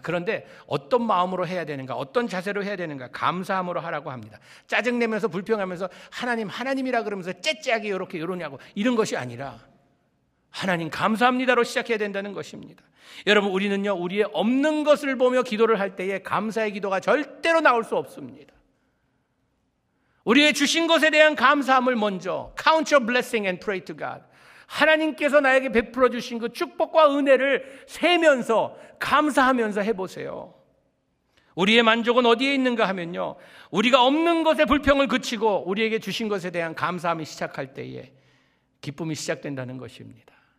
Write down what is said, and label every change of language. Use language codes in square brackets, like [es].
[ko] 그런데 어떤 마음으로 해야 되는가 어떤 자세로 해야 되는가 감사함으로 하라고 합니다. 짜증내면서 불평하면서 하나님 하나님이라 그러면서 째째하게 이렇게 이러냐고 이런 것이 아니라 하나님 감사합니다로 시작해야 된다는 것입니다. 여러분 우리는요 우리의 없는 것을 보며 기도를 할 때에 감사의 기도가 절대로 나올 수 없습니다. 우리의 주신 것에 대한 감사함을 먼저 [en] count your blessing and pray to God. [ko] 하나님께서 나에게 베풀어 주신 그 축복과 은혜를 세면서 감사하면서 해보세요. 우리의 만족은 어디에 있는가 하면요 우리가 없는 것에 불평을 그치고 우리에게 주신 것에 대한 감사함이 시작할 때에 기쁨이 시작된다는 것입니다.